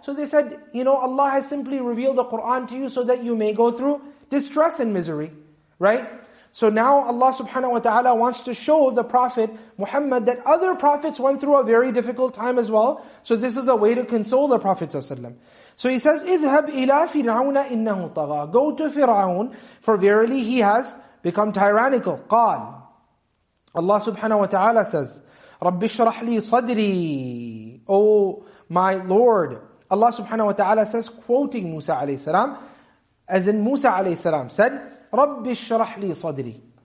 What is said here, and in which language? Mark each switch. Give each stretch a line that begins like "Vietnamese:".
English: So they said, you know, Allah has simply revealed the Qur'an to you so that you may go through distress and misery, right? So now Allah subhanahu wa ta'ala wants to show the Prophet Muhammad that other prophets went through a very difficult time as well. So this is a way to console the Prophet ﷺ. So he says,
Arabic: اِذْهَبْ إِلَىٰ فِرْعَوْنَ إِنَّهُ طَغَىٰ.
English: Go to Fir'aun, for verily he has become tyrannical. قَالَ. Allah subhanahu wa ta'ala says,
Arabic: رَبِّ شَرَحْ لِي صَدْرِي.
English: Oh my Lord. Allah subhanahu wa ta'ala says, quoting Musa alayhi salam, as in Musa alayhi salam said,
Arabic: رَبِّ شَرَحْ لِي صَدْرِي.